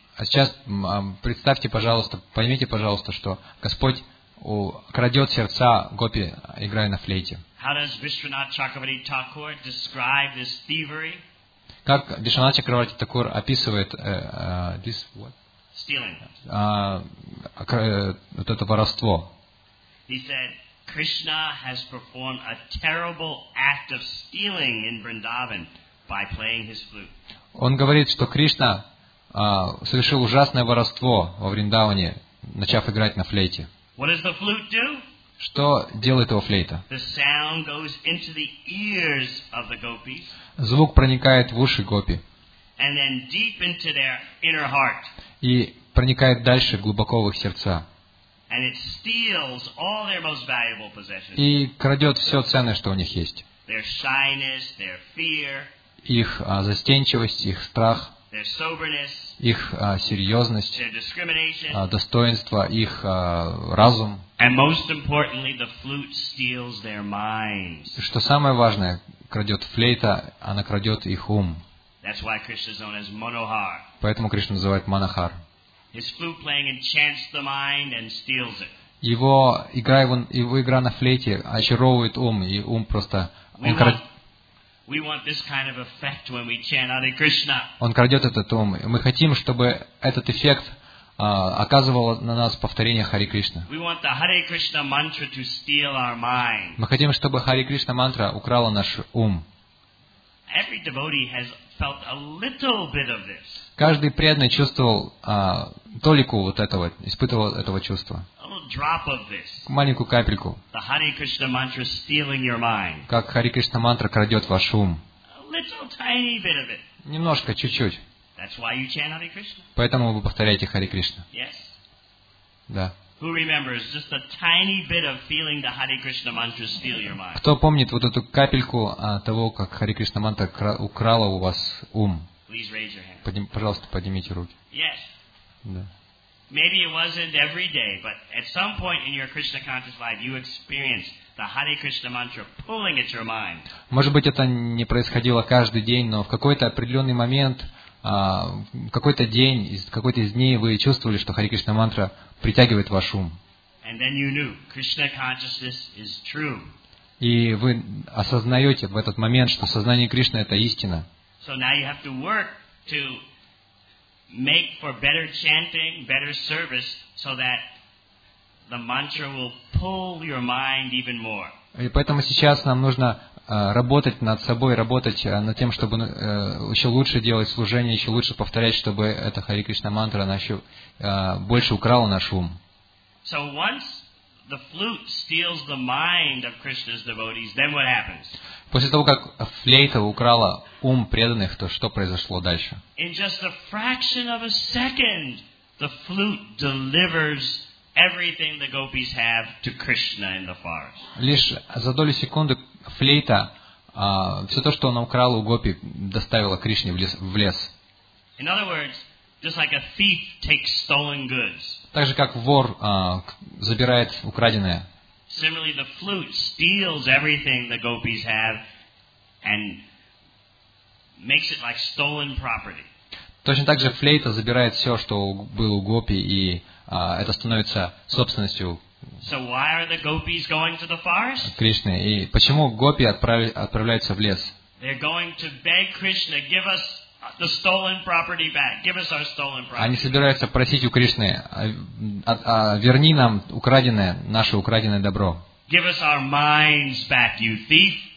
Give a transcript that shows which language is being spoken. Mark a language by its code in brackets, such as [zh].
[ru] А сейчас представьте, пожалуйста, поймите, пожалуйста, что Господь крадет сердца гопи, играя на флейте. [en] How does Vishwanath Chakravarti Thakur describe this thievery? [ru] Как Вишванат Чакраварти Такур описывает [en] this what? Stealing. [ru] Вот это воровство. [en] He said Krishna has performed a terrible act of stealing in Vrindavan by playing his flute. [ru] Он говорит, что Кришна совершил ужасное воровство во Вриндаване, начав играть на флейте. [en] What does the flute do? [ru] Что делает его флейта? [en] The sound goes into the ears of the gopis. [ru] Звук проникает в уши гопи. [en] And then deep into their inner heart. [ru] И проникает дальше глубоко в их сердца. [en] And it steals all their most valuable possessions. [ru] И крадет все ценное, что у них есть. [en] Their shyness, their fear. [ru] Их застенчивость, их страх. [en] Their soberness. [ru] Их серьезность. [en] Their discrimination. [ru] Достоинство, их разум. [en] And most importantly, the flute steals their minds. [ru] И что самое важное, крадет флейта, она крадет их ум. [en] That's why Krishna is known as Manohar. [ru] Поэтому Кришна называют Манохар. [en] His flute playing enchants the mind and steals it. [ru] Его игра на флейте очаровывает ум, и ум просто. [en] We want this kind of effect when we chant Hare Krishna. [ru] Он крадет этот ум. Мы хотим, чтобы этот эффект оказывал на нас повторение Hare Krishna. [en] We want the Hare Krishna mantra to steal our mind. [ru] Мы хотим, чтобы Hare Krishna mantra украла наш ум. [en] Every devotee has felt a little bit of this. [ru] Каждый преданный чувствовал толику вот этого, испытывал этого чувства. [en] A little drop of this. [ru] Маленькую капельку. [en] The Hare Krishna mantra stealing your mind. [ru] Как Hare Krishna mantra крадет ваш ум. [en] A little tiny bit of it. [ru] Немножко, чуть-чуть. [en] That's why you chant Hare Krishna. [ru] Поэтому вы повторяете Hare Krishna. [en] Yes. [ru] Да. [en] Who remembers just a tiny bit of feeling the Hare Krishna mantra steal your mind? [ru] Кто помнит вот эту капельку того, как Hare Krishna mantra украла у вас ум? [en] Please raise your hand. [ru] Пожалуйста, поднимите руки. [en] Yes. [ru] Да. [en] Maybe it wasn't every day, but at some point in your Krishna conscious life, you experienced the Hare Krishna mantra pulling at your mind. [ru] Может быть, это не происходило каждый день, но в какой-то определенный момент, какой-то день, из какой-то из дней вы чувствовали, что Hare Krishna mantra притягивает ваш ум. [en] And then you knew Krishna consciousness is true. [ru] И вы осознаете в этот момент, что сознание Кришны — это истина. [en] So now you have to work to make for better chanting, better service, so that the mantra will pull your mind even more. [ru] И поэтому сейчас нам нужно работать над собой, работать над тем, чтобы еще лучше делать служение, еще лучше повторять, чтобы эта Hare Krishna mantra больше украла наш ум. [en] So once the flute steals the mind of Krishna's devotees, then what happens? [ru] После того, как флейта украла ум преданных, то что произошло дальше? [en] In just a fraction of a second, The flute delivers everything the gopis have to Krishna in the forest. [ru] Лишь за долю секунды флейта все то, что он украл у гопи, доставила Кришне в лес. [en] In other words, just like a thief takes stolen goods. [ru] Так же как вор забирает украденное. [en] Similarly, the flute steals everything the gopis have and makes it like stolen property. [ru] Точно так же флейта забирает все, что было у гопи, и это становится собственностью. [en] So why are the gopis going to the forest? [ru] Кришны. И почему гопи отправляются в лес? [en] They're going to beg Krishna, give us the stolen property back. Give us our stolen property. [ru] Они собираются просить у Кришны, верни нам украденное, наше украденное добро. [en] Give us our minds back, you thief.